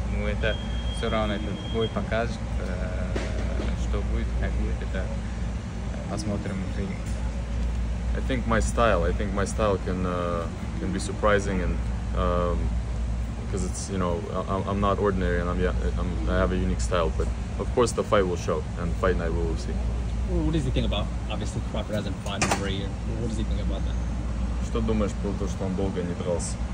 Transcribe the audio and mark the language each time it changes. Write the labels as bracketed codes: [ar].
[ru] Ну это все равно этот бой покажет, что будет, как будет, это посмотрим в ринге. [en] I think my style can be surprising, and because it's, you know, I'm not ordinary, and I have a unique style, but of course the fight will show, and fight night we will see. What does he think about, obviously Crawford hasn't fought in 3 years, what does he think about that? [ru] Что думаешь про то, что он долго не дрался?